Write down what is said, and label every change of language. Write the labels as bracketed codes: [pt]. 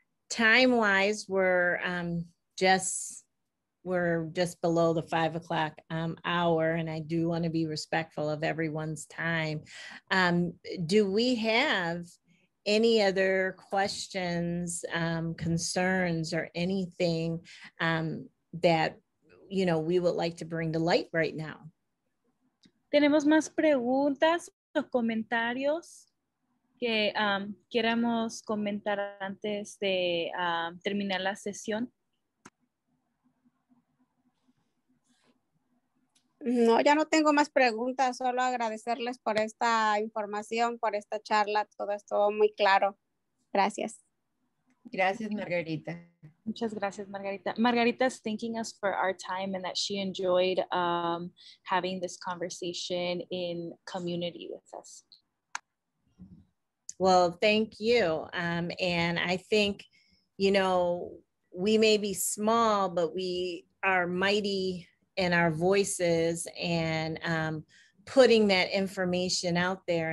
[en] Time-wise, we're just below the 5 o'clock hour, and I do want to be respectful of everyone's time. Do we have any other questions, concerns, or anything that you know we would like to bring to light right now? [es] Tenemos más preguntas o comentarios que queramos comentar antes de terminar la sesión. No, ya no tengo más preguntas, solo agradecerles por esta información, por esta charla, todo estuvo muy claro. Gracias. Gracias, Margarita. Muchas gracias, Margarita. [en] Margarita's thanking us for our time and that she enjoyed having this conversation in community with us. Well, thank you. And I think, you know, we may be small, but we are mighty in our voices and putting that information out there.